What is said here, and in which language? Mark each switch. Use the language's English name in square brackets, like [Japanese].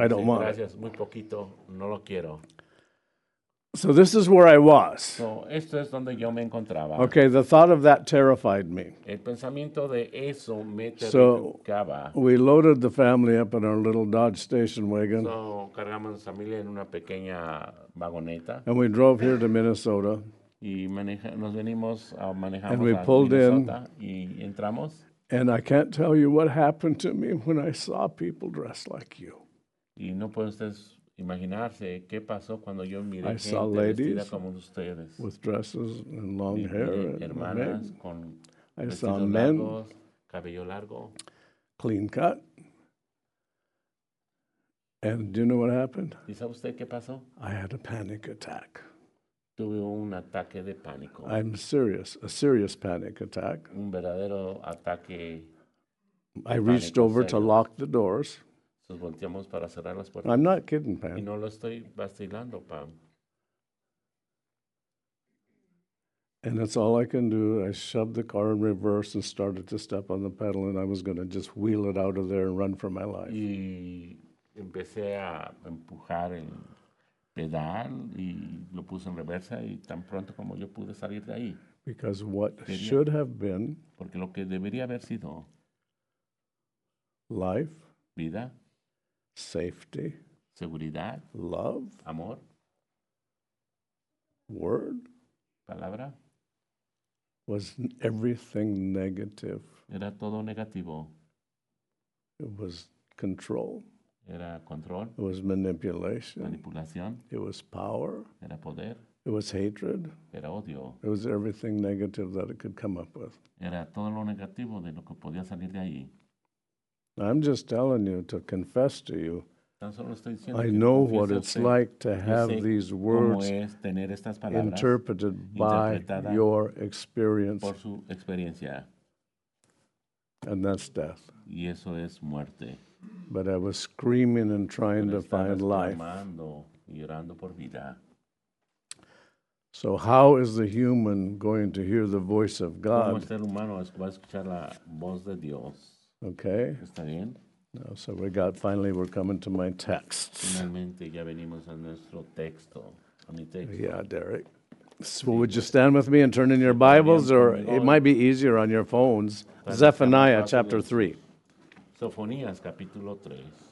[English] I don't mind. [Spanish] Gracias, muy poquito, no lo quiero. [English] So this is where I was. [Spanish] So, esto es donde yo me encontraba. [English] Okay, the thought of that terrified me. [Spanish] El pensamiento de eso me terrificaba. [English] So we loaded the family up in our little Dodge station wagon. [Spanish] So cargamos a familia en una pequeña vagoneta. [English] And we drove here to Minnesota. [Spanish] Y nos venimos a manejar. [English] And we pulled in. [Spanish] Y entramos. [English] And I can't tell you what happened to me when I saw people dressed like you. [Spanish] Y no pueden ustedes imaginarse qué pasó cuando yo miré gente vestida como ustedes. [English] With dresses and long hair. [Spanish] Hermanas con vestidos largos, cabello largo. [English] Clean cut. And do you know what happened? [Spanish] ¿Y sabe usted qué pasó? [English] I had a panic attack. [Spanish] Tuve un ataque de pánico. [English] I'm serious, a serious panic attack. [Spanish] Un verdadero ataque. [English] I reached over [Spanish] serio. [English] To lock the doors. [Spanish] Nos volteamos para cerrar las puertas. [English] I'm not kidding, Pam. [Spanish] Y no lo estoy vacilando, Pam. [English] And that's all I can do. I shoved the car in reverse and started to step on the pedal, and I was going to just wheel it out of there and run for my life. [Spanish] Y empecé a empujar el pedal y lo puse en reversa y tan pronto como yo pude salir de ahí. [English] Because what should have been. [Spanish] Porque lo que debería haber sido. [English] Life. [Spanish] Vida. [English] Safety. [Spanish] Seguridad. [English] Love. [Spanish] Amor. [English] Word. [Spanish] Palabra. [English] Was everything negative. [Spanish] Era todo negativo. [English] It was control. [Spanish] Era control. [English] It was manipulation. [Spanish] Manipulación. [English] It was power. [Spanish] Era poder. [English] It was hatred. [Spanish] Era odio. [English] It was everything negative that it could come up with. [Spanish] Era todo lo negativo de lo que podía salir de ahí. [English] I'm just telling you to confess to you. [Spanish] Tan solo estoy diciendo [English] I know what it's like to have these words [Spanish] cómo es tener estas palabras [English] interpreted by your experience. [Spanish] Por su experiencia. [English] And that's death. [Spanish] Y eso es muerte. [English] But I was screaming and trying to find life. [Spanish] Llorando por vida. [English] So how is the human going to hear the voice of God? [Spanish] ¿Cómo es el humano va a escuchar la voz de Dios? [English] Okay. [Spanish] ¿Está bien? [English] No, so we got, finally we're coming to my text. [Spanish] Finalmente ya venimos a nuestro texto, a mi texto. [English] Yeah, Derek. So would you stand with me and turn in your Bibles, or it might be easier on your phones. Zephaniah chapter 3. [Spanish] Sofonías capítulo 3.